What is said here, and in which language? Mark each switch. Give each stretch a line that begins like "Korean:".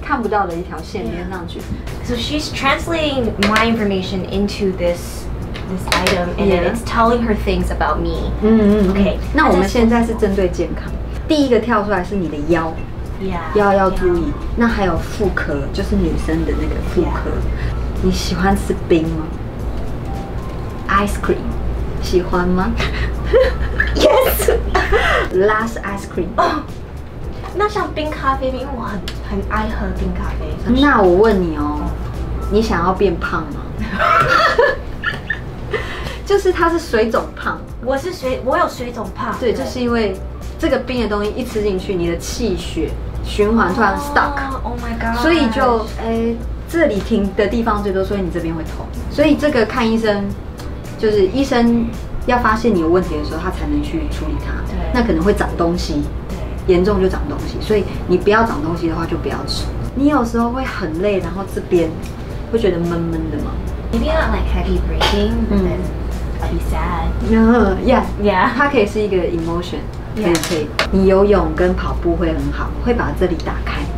Chinese: 你的话可以摸这里。手放在这边，这个脚脚它会有一个气。当我在敲的时候，你有感觉热的。对啊，所以我在敲这里也会有气。OK，你可以试试看，因为它有一个看不到的一条线连上去。So
English: she's translating my information into this item, and it's telling her things about me.
Chinese: OK，那我们现在是针对健康。第一个跳出来是你的腰，腰要注意。那还有妇科，就是女生的那个妇科。你喜欢吃冰吗
English: ？Ice cream，
Chinese: 喜欢吗
English: ？Yes，last ice cream。哦，
Chinese: 那像冰咖啡，因为我很爱喝冰咖啡。那我问你哦，你想要变胖吗？就是它是水肿胖。我有水肿胖。对，就是因为。这个冰的东西一吃进去，你的气血循环突然 stuck，Oh
English: my god！
Chinese: 所以就这里停的地方最多，所以你这边会痛。所以这个看医生就是医生要发现你有问题的时候他才能去处理它，那可能会长东西，严重就长东西，所以你不要长东西的话就不要吃。你有时候会很累，然后这边会觉得闷闷的吗？
English: Maybe not like heavy breathing, but then I'll be sad. Yeah.
Chinese: 它可以是一个 emotion.
English: Yeah.
Chinese: 可以。你游泳跟跑步会很好，会把这里打开。